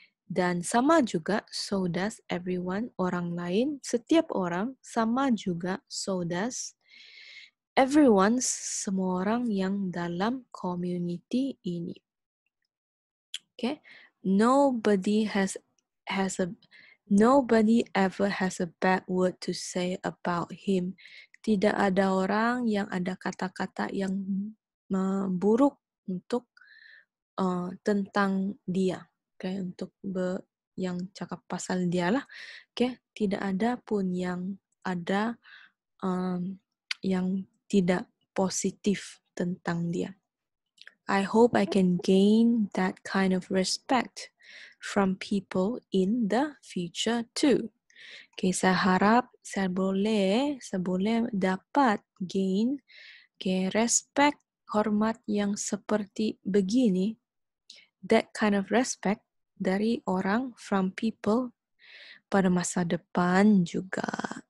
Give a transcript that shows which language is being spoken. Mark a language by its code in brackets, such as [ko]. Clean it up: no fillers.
[ms] Dan sama juga, [en] so does everyone, [ms] orang lain, setiap orang, sama juga, so does everyone, semua orang yang dalam community ini. Okay? [en] Nobody ever has a bad word to say about him. [ms] Tidak ada orang yang ada kata-kata yang buruk untuk tentang dia. Okay, untuk yang cakap pasal dia lah. Okay, tidak ada pun yang ada yang tidak positif tentang dia. [en] I hope I can gain that kind of respect from people in the future too. [ms] Okay, saya harap saya boleh dapat gain, okay, respect, hormat yang seperti begini, [en] that kind of respect [ms] dari orang, [en] from people, [ms] pada masa depan juga.